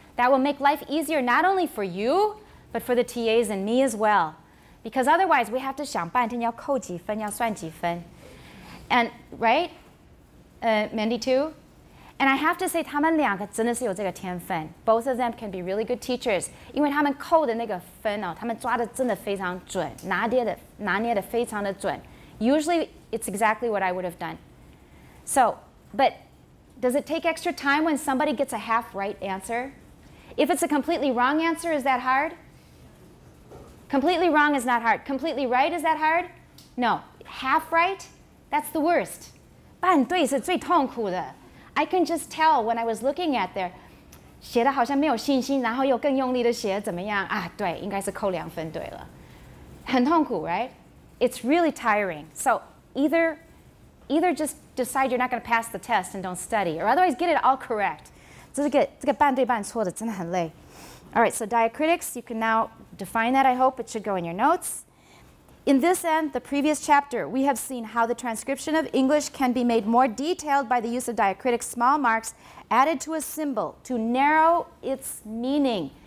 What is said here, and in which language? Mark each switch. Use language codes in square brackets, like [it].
[en] That will make life easier, not only for you, but for the TAs and me as well. Because otherwise, we have to 想半天要扣几分要算几分。 And, right? Mandy too? [zh] And I have to say, 他们两个真的是有这个天分. [en] Both of them can be really good teachers. [zh] 因为他们扣的那个分哦，他们抓的真的非常准，拿捏的非常的准. [en] Usually, it's exactly what I would have done. So, but does it take extra time when somebody gets a half right answer? If it's a completely wrong answer, is that hard? Completely wrong is not hard. Completely right, is that hard? No. Half right? That's the worst. [zh] 半对是最痛苦的。 I can just tell when I was looking at there, 写得好像没有信心，然后又更用力的写，怎么样？啊，对，应该是扣两分对了。 [en] 很痛苦, right? It's really tiring. So either just decide you're not going to pass the test and don't study, or otherwise get it all correct. [zh] 这个半对半错的真的很累。 [en] All right, so diacritics, you can now define that, I hope. It should go in your notes. In this end, the previous chapter, we have seen how the transcription of English can be made more detailed by the use of diacritic small marks added to a symbol to narrow its meaning.